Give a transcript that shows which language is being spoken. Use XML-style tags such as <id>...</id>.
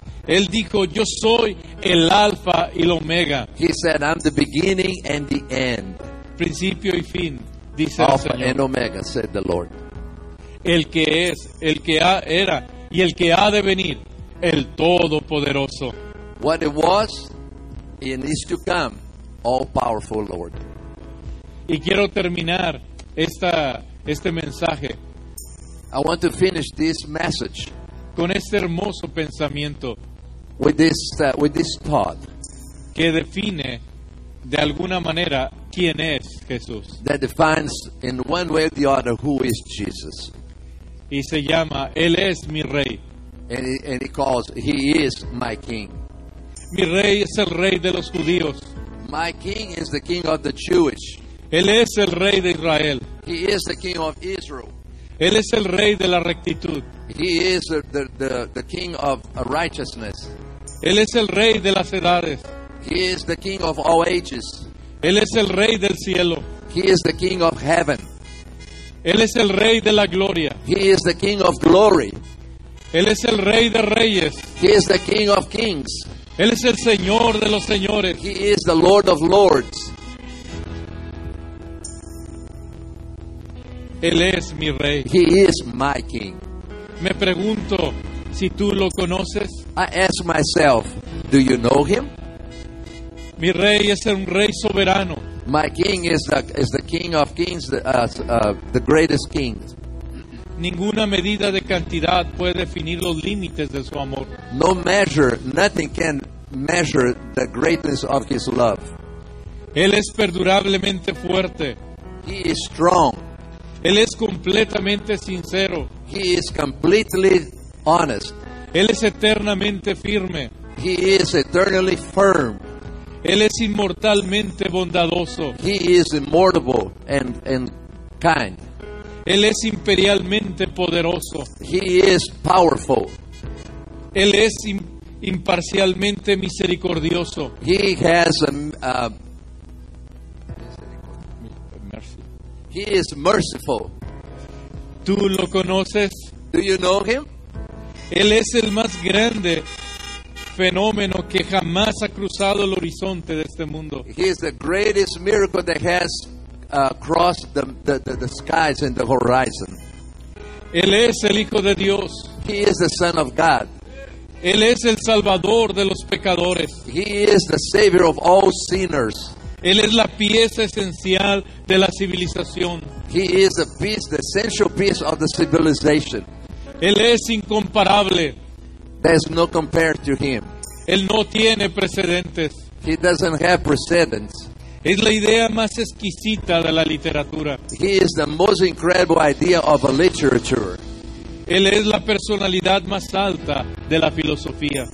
<es>Él dijo, yo soy el Alfa y el Omega.</es> <en>He said, I'm the beginning and the end.</en> <es>Principio y fin, dice el Señor.</es> <en>Alpha and Omega, said the Lord.</en> <es>El que es, el que era y el que ha de venir, el Todopoderoso.</es> <en>What it was, and is to come, all-powerful Lord.</en> <es>Y quiero terminar este mensaje.</es> <en>I want to finish this message</en> <es>con este hermoso pensamiento.</es> <en>With this thought</en> <es>que define de alguna manera quién es Jesús.</es> <en>That defines in one way or the other who is Jesus.</en> <es>Y se llama, Él es mi Rey.</es> <en>He is my King.</en> <es>Mi rey es el rey de los judíos.</es> <en>My king is the king of the Jewish.</en> <es>Él es el rey de Israel.</es> <en>He is the king of Israel.</en> <es>Él es el rey de la rectitud.</es> <en>He is the king of righteousness.</en> <es>Él es el rey de las edades.</es> <en>He is the king of all ages.</en> <es>Él es el rey del cielo.</es> <en>He is the king of heaven.</en> <es>Él es el rey de la gloria.</es> <en>He is the king of glory.</en> <es>Él es el rey de reyes.</es> <en>He is the king of kings.</en> <es>Él es el Señor de los señores.</es> <en>He is the Lord of lords.</en> <es>Él es mi rey.</es> <en>He is my king.</en> <es>Me pregunto si tú lo conoces.</es> <en>I ask myself, do you know him?</en> <es>Mi rey es un rey soberano.</es> <en>My king is the king of kings, the greatest king.</en> <es>Ninguna medida de cantidad puede definir los límites de su amor.</es> <en>No measure, nothing can measure the greatness of his love.</en> <es>Él es perdurablemente fuerte.</es> <en>He is strong.</en> <es>Él es completamente sincero.</es> <en>He is completely honest.</en> <es>Él es eternamente firme.</es> <en>He is eternally firm.</en> <es>Él es inmortalmente bondadoso.</es> <en>He is immortal and kind.</en> <es>Él es imperialmente poderoso.</es> <en>He is powerful.</en> <es>Él es imparcialmente misericordioso.</es> <en>He has mercy. He is merciful.</en> <es>¿Tú lo conoces?</es> <en>Do you know him?</en> <es>Él es el más grande fenómeno que jamás ha cruzado el horizonte de este mundo.</es> <en>He is the greatest miracle that has across the skies and the horizon.</en> <es>Él es el Hijo de Dios.</es> <en>He is the Son of God.</en> <es>Él es el Salvador de los pecadores.</es> <en>He is the Savior of all sinners.</en> <es>Él es la pieza esencial de la civilización.</es> <en>He is the piece, the essential piece of the civilization.</en> <es>Él es incomparable.</es> <en>There's no compare to him.</en> <es>Él no tiene precedentes.</es> <en>He doesn't have precedents.</en> <es>Es la idea más exquisita de la literatura.</es> <en>He is the most incredible idea of a literature.</en> <es>Él es la personalidad más alta de la filosofía.</es>